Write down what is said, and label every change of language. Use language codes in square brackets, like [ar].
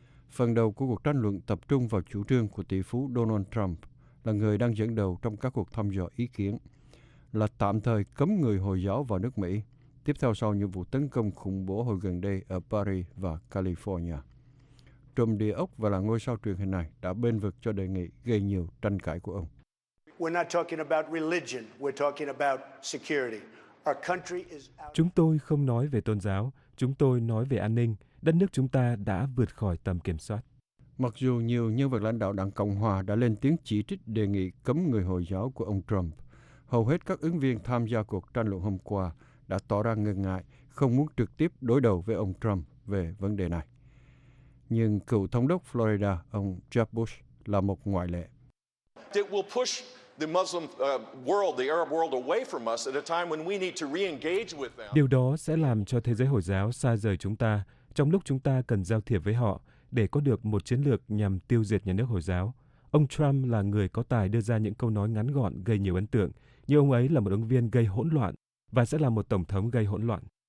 [vi] Phần đầu của cuộc tranh luận tập trung vào chủ trương của tỷ phú Donald Trump, là người đang dẫn đầu trong các cuộc thăm dò ý kiến, là tạm thời cấm người Hồi giáo vào nước Mỹ, tiếp theo sau những vụ tấn công khủng bố hồi gần đây ở Paris và California. Trùm địa ốc và là ngôi sao truyền hình này đã bênh vực cho đề nghị gây nhiều tranh cãi của ông. [en] We're not talking about religion, we're talking about security. [vi] Chúng tôi không nói về tôn giáo, chúng tôi nói về an ninh. Đất nước chúng ta đã vượt khỏi tầm kiểm soát. Mặc dù nhiều nhân vật lãnh đạo đảng Cộng hòa đã lên tiếng chỉ trích đề nghị cấm người Hồi giáo của ông Trump, hầu hết các ứng viên tham gia cuộc tranh luận hôm qua đã tỏ ra ngần ngại, không muốn trực tiếp đối đầu với ông Trump về vấn đề này. Nhưng cựu thống đốc Florida, ông Jeb Bush, là một ngoại lệ. [en] It will push the Muslim world, the Arab world away from us at a time when we need to re-engage with them. [vi] Điều đó sẽ làm cho thế giới Hồi giáo xa rời chúng ta trong lúc chúng ta cần giao thiệp với họ để có được một chiến lược nhằm tiêu diệt nhà nước Hồi giáo. Ông Trump là người có tài đưa ra những câu nói ngắn gọn gây nhiều ấn tượng, nhưng ông ấy là một ứng viên gây hỗn loạn và sẽ là một tổng thống gây hỗn loạn.